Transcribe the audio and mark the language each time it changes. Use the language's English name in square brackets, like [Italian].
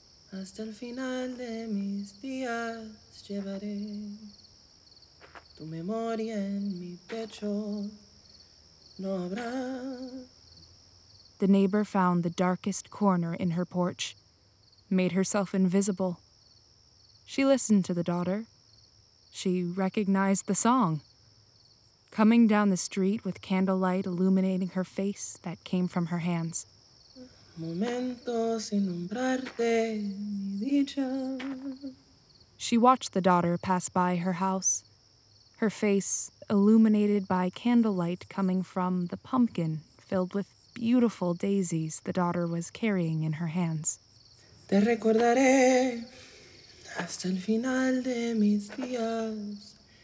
[Spanish] Hasta el final de mis días llevaré tu memoria en mi pecho. No habrá. [English] The neighbor found the darkest corner in her porch, made herself invisible. She listened to the daughter. She recognized the song. Coming down the street with candlelight illuminating her face that came from her hands. [Spanish] Momento sin nombrarte, mi dicha. [English] She watched the daughter pass by her house, her face illuminated by candlelight coming from the pumpkin filled with beautiful daisies the daughter was carrying in her hands. [Spanish] Te recordaré hasta el final de mis días.